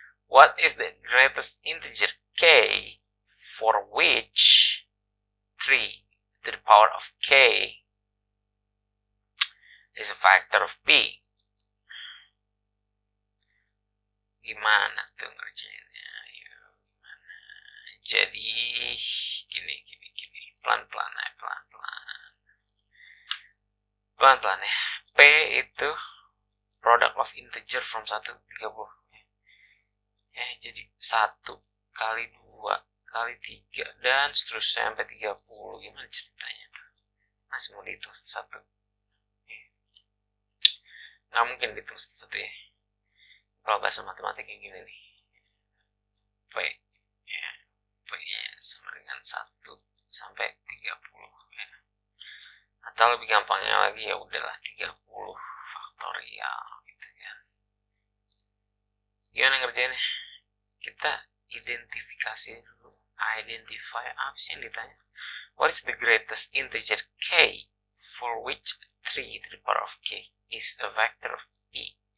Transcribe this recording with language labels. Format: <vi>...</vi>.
<en>What is the greatest integer K for which 3 to the power of K is a factor of P?</en> <id>Gimana tuh ngerjainnya? Ayo, gimana? Jadi, gini, gini, gini. Pelan-pelan ya, pelan-pelan. Pelan-pelan ya.</id> <en>P itu product of integer from 1 to 30.</en> <id>Ya, jadi 1 kali 2 kali 3 dan seterusnya sampai 30. Gimana ceritanya? Masih mau dihitung 1. Nggak mungkin dihitung 1 ya. Kalau bahasa matematika yang gini nih, P, ya, P nya sama dengan 1 sampai 30, ya. Atau lebih gampangnya lagi, ya udahlah 30 faktorial, gitu kan. Gimana ngerjainnya? Kita identifikasi dulu, identify apa sih yang ditanya.</id> <en>What is the greatest integer K for which 3 to the power of K is a vector of P?</en>